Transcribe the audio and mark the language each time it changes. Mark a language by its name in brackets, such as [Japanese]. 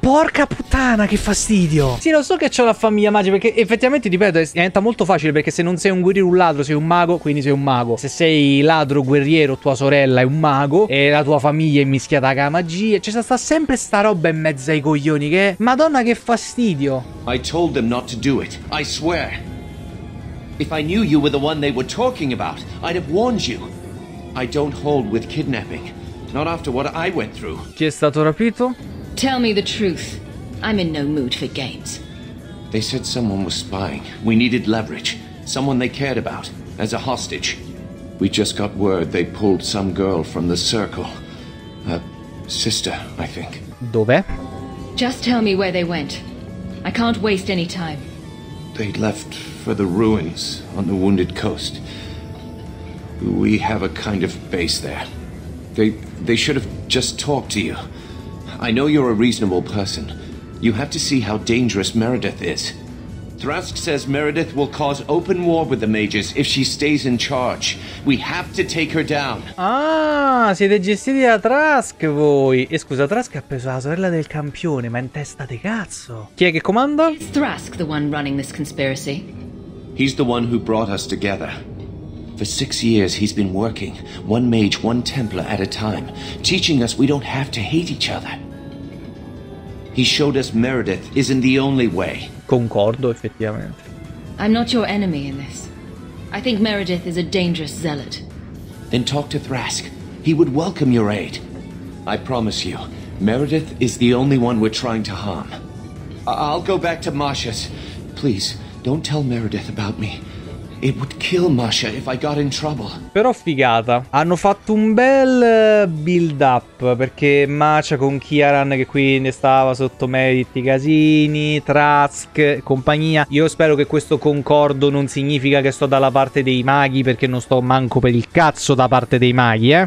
[Italian] Porca puttana, che fastidio. Sì, lo so che c'ho la famiglia magica, perché effettivamente, ripeto, diventa molto facile, perché se non sei un guerriero, un ladro, sei un mago, quindi sei un mago. Se sei ladro, guerriero, tua sorella è un mago e la tua famiglia è mischiata con la magia. Cioè, sta sempre sta roba in mezzo ai coglioni, che madonna che fastidio. [English] I told them not to do it, I swear. If I knew you were the one they were talking about, I'd have warned you. I don't hold with kidnapping, not after what I went through. [Italian] Chi è stato rapito? [English] Tell me the truth. I'm in no mood for games. They said someone was spying. We needed leverage. Someone they cared about, as a hostage. We just got word they pulled some girl from the circle. A sister, I think. [Italian] Dov'è? [English] Just tell me where they went. I can't waste any time. They left for the ruins on the Wounded Coast. We have a kind of base there. They should have just talked to you. I know you're a reasonable person. You have to see how dangerous Meredith is. Thrask says Meredith will cause open war with the mages if she stays in charge. We have to take her down. [Italian] Ah, siete gestiti da Thrask voi. E scusa, Thrask ha preso la sorella del campione, ma in testa di cazzo. Chi è che comanda? [English] Is Thrask the one running this conspiracy? He's the one who brought us together. For 6 years he's been working, one mage, one templar at a time, teaching us we don't have to hate each other. He showed us Meredith isn't the only way. [Italian] Concordo, effettivamente. [English] I'm not your enemy in this. I think Meredith is a dangerous zealot. Then talk to Thrask. He would welcome your aid. I promise you, Meredith is the only one we're trying to harm. I'll go back to Masha's. Please, don't tell Meredith about me. It would kill Masha if I got in trouble. [Italian] Però figata. Hanno fatto un bel build up, perché Masha con Kieran, che quindi stava sotto Meredith, i casini, Thrask e compagnia. Io spero che questo concordo non significa che sto dalla parte dei maghi, perché non sto manco per il cazzo da parte dei maghi, eh.